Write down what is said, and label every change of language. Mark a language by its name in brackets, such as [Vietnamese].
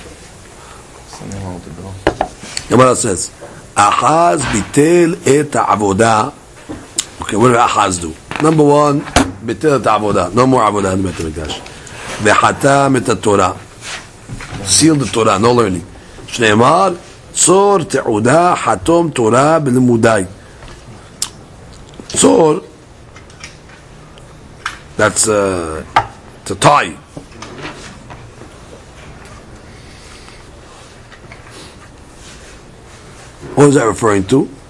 [English] Yomara says, Ahaz [Hebrew] bitel et ha'avodah. [English] Okay, what did Ahaz do? Number one, [Hebrew] bitel et ha'avodah. [English] No more avodah in Beit HaMikdash. [Hebrew] Ve'hatam et ha'torah. [English] Seal the Torah, no learning. [Hebrew] שנאמר, צור תעודה חתום תורה בלימודי. [English] צור, that's to tie. What is that referring to?